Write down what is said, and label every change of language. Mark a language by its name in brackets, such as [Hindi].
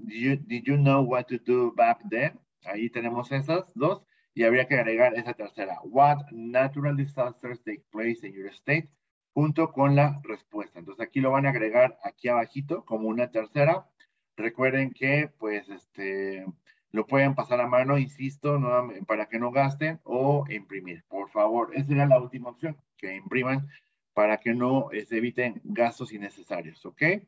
[English] Did you know what to do back then? [Spanish] Ahí tenemos esas dos, y habría que agregar esa tercera. [English] What natural disasters take place in your state? [Spanish] Junto con la respuesta. Entonces, aquí lo van a agregar aquí abajito como una tercera. Recuerden que, pues, lo pueden pasar a mano, insisto, ¿no?, para que no gasten, o imprimir. Por favor, esa era la última opción, que impriman para que no se eviten gastos innecesarios, ¿ok?